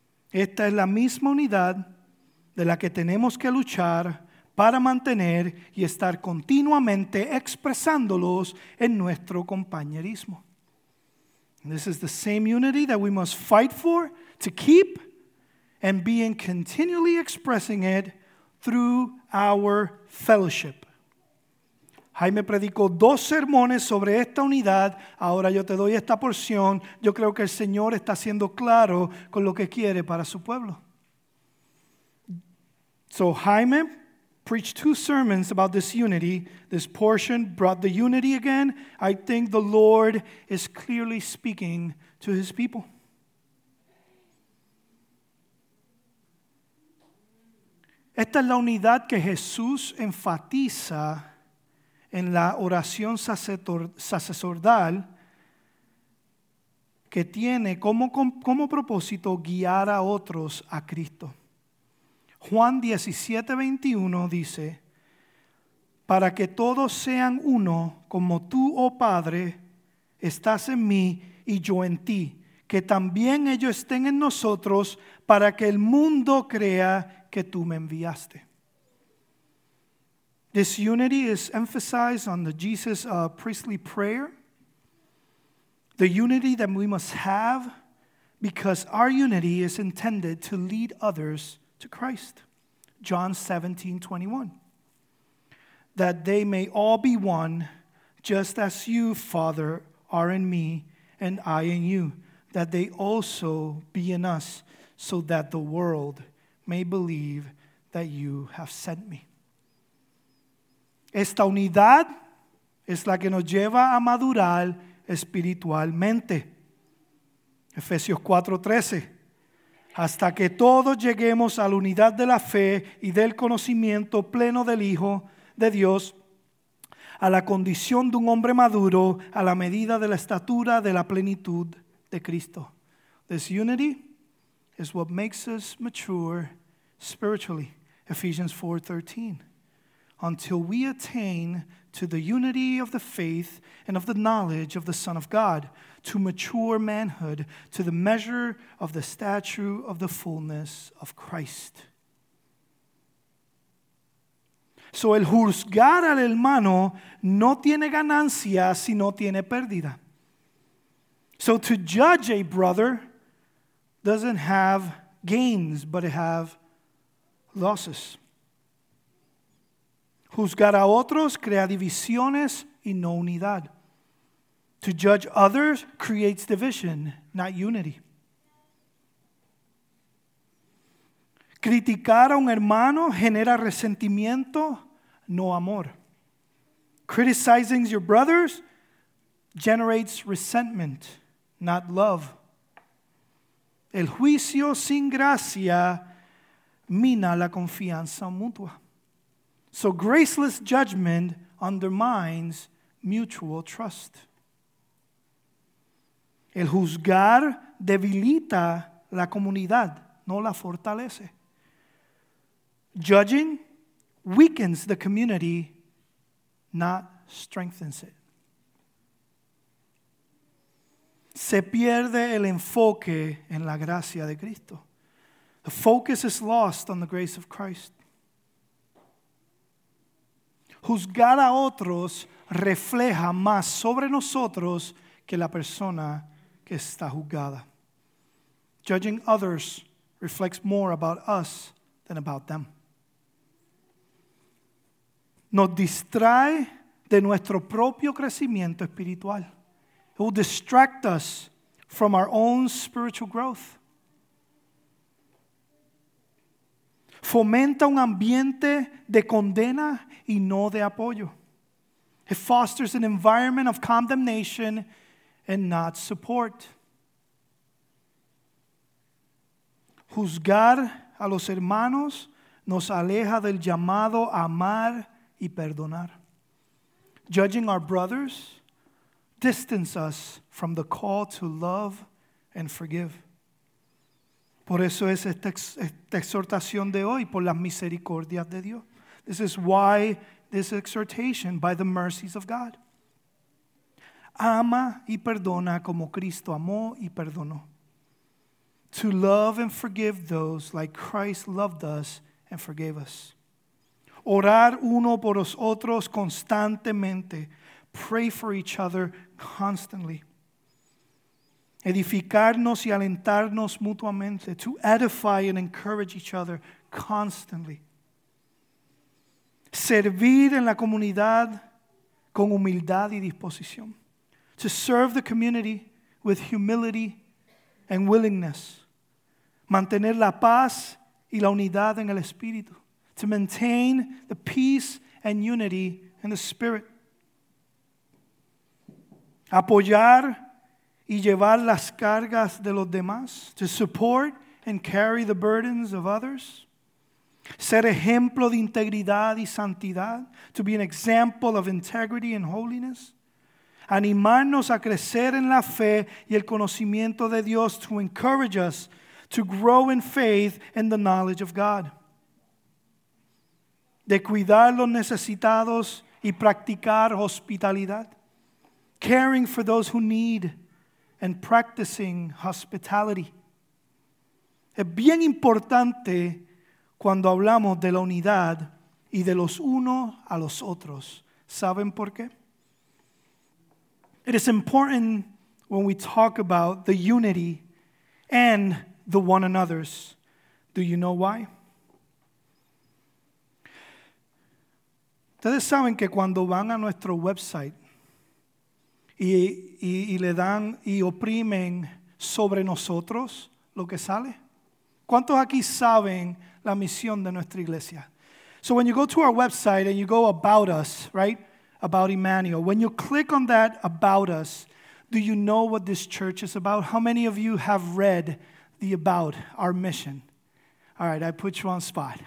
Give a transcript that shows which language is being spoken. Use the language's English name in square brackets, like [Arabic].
[Spanish] Esta es la misma unidad de la que tenemos que luchar para mantener y estar continuamente expresándolos en nuestro compañerismo. [English] This is the same unity that we must fight for, to keep, and be in continually expressing it through our fellowship. [Spanish] Jaime predicó dos sermones sobre esta unidad. Ahora yo te doy esta porción. Yo creo que el Señor está siendo claro con lo que quiere para su pueblo. [English] So Jaime preached two sermons about this unity. This portion brought the unity again. I think the Lord is clearly speaking to his people. [Spanish] Esta es la unidad que Jesús enfatiza en la oración sacerdotal que tiene como propósito guiar a otros a Cristo. Juan 17:21 dice, para que todos sean uno, como tú, oh Padre, estás en mí y yo en ti, que también ellos estén en nosotros, para que el mundo crea que tú me enviaste. [English] This unity is emphasized on the Jesus priestly prayer, the unity that we must have, because our unity is intended to lead others to Christ. John 17:21. That they may all be one, just as you, Father, are in me, and I in you, that they also be in us, so that the world may believe that you have sent me. [Spanish] Esta unidad es la que nos lleva a madurar espiritualmente. Efesios 4:13. Hasta que todos lleguemos a la unidad de la fe y del conocimiento pleno del Hijo de Dios, a la condición de un hombre maduro, a la medida de la estatura de la plenitud de Cristo. [English] This unity is what makes us mature spiritually, Ephesians 4:13. Until we attain to the unity of the faith and of the knowledge of the Son of God, to mature manhood, to the measure of the stature of the fullness of Christ. [Spanish] So el juzgar al hermano no tiene ganancia si no tiene pérdida. [English] So to judge a brother doesn't have gains, but it have losses. [Spanish] Juzgar a otros crea divisiones y no unidad. [English] To judge others creates division, not unity. [Spanish] Criticar a un hermano genera resentimiento, no amor. [English] Criticizing your brothers generates resentment, not love. [Spanish] El juicio sin gracia mina la confianza mutua. [English] So graceless judgment undermines mutual trust. [Spanish] El juzgar debilita la comunidad, no la fortalece. [English] Judging weakens the community, not strengthens it. [Spanish] Se pierde el enfoque en la gracia de Cristo. [English] The focus is lost on the grace of Christ. [Spanish] Juzgar a otros refleja más sobre nosotros que la persona que está juzgada. [English] Judging others reflects more about us than about them. [Spanish] Nos distrae de nuestro propio crecimiento espiritual. [English] It will distract us from our own spiritual growth. [Spanish] Fomenta un ambiente de condena y no de apoyo. [English] It fosters an environment of condemnation and not support. [Spanish] Juzgar a los hermanos nos aleja del llamado a amar y perdonar. [English] Judging our brothers distances us from the call to love and forgive. [Spanish] Por eso es esta exhortación de hoy, por las misericordias de Dios. [English] This is why this exhortation, by the mercies of God. [Spanish] Ama y perdona como Cristo amó y perdonó. [English] To love and forgive those like Christ loved us and forgave us. [Spanish] Orar uno por los otros constantemente. [English] Pray for each other constantly. [Spanish] Edificarnos y alentarnos mutuamente. [English] To edify and encourage each other constantly. [Spanish] Servir en la comunidad con humildad y disposición. [English] To serve the community with humility and willingness. [Spanish] Mantener la paz y la unidad en el espíritu. [English] To maintain the peace and unity in the spirit. [Spanish] Apoyar y llevar las cargas de los demás. [English] To support and carry the burdens of others. [Spanish] Ser ejemplo de integridad y santidad. [English] To be an example of integrity and holiness. [Spanish] Animarnos a crecer en la fe y el conocimiento de Dios. [English] To encourage us to grow in faith and the knowledge of God. [Spanish] De cuidar los necesitados y practicar hospitalidad. [English] Caring for those who need and practicing hospitality. [Spanish] Es bien importante cuando hablamos de la unidad y de los unos a los otros. ¿Saben por qué? [English] It is important when we talk about the unity and the one another's. Do you know why? [Spanish] Ustedes saben que cuando van a nuestro website y le dan y oprimen sobre nosotros lo que sale. ¿Cuántos aquí saben la misión de nuestra iglesia? [English] So when you go to our website and you go about us, right? About Emmanuel. When you click on that about us, do you know what this church is about? How many of you have read the about, our mission? All right, I put you on spot.